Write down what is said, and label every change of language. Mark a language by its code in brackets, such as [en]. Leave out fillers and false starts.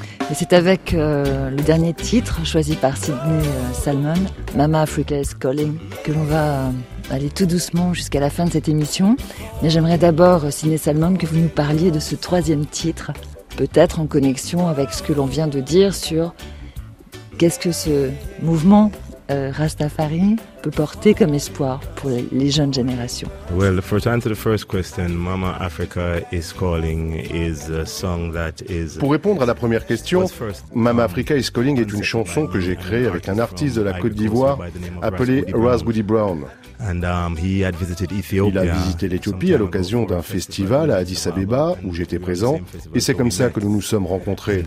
[fr] Et c'est avec le dernier titre choisi par Sydney Salmon, Mama Africa is Calling, que l'on va aller tout doucement jusqu'à la fin de cette émission. Mais j'aimerais d'abord, Sydney Salmon, que vous nous parliez de ce troisième titre, peut-être en connexion avec ce que l'on vient de dire sur qu'est-ce que ce mouvement Rastafari peut porter comme espoir pour les jeunes générations. [en] Well, for to answer the first question, Mama Africa is calling is a song that is. [fr] Pour répondre à la première question, Mama Africa is calling est une chanson que j'ai créée avec un artiste de la Côte d'Ivoire appelé Ras Goody Brown. Il a visité l'Éthiopie à l'occasion d'un festival à Addis Abeba où j'étais présent, et c'est comme ça que nous nous sommes rencontrés.